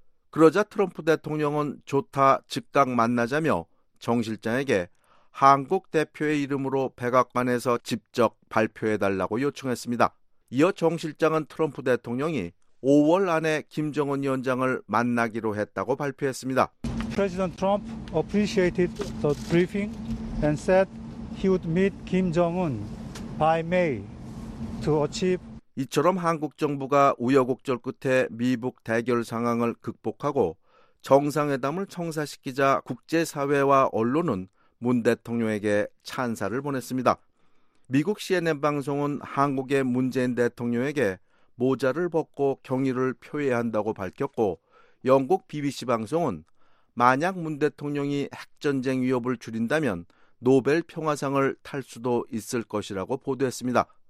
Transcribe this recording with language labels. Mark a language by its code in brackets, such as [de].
[ko] 그러자 트럼프 대통령은 좋다 즉각 만나자며 정 실장에게 한국 대표의 이름으로 백악관에서 직접 발표해달라고 요청했습니다. 이어 정 실장은 트럼프 대통령이 5월 안에 김정은 위원장을 만나기로 했다고 발표했습니다. [en] President Trump appreciated the briefing and said he would meet Kim Jong-un by May to achieve. [ko] 이처럼 한국 정부가 우여곡절 끝에 미북 대결 상황을 극복하고 정상회담을 청사시키자 국제사회와 언론은 문 대통령에게 찬사를 보냈습니다. 미국 CNN 방송은 한국의 문재인 대통령에게 모자를 벗고 경의를 표해야 한다고 밝혔고 영국 BBC 방송은 만약 문 대통령이 핵전쟁 위협을 줄인다면 노벨 평화상을 탈 수도 있을 것이라고 보도했습니다.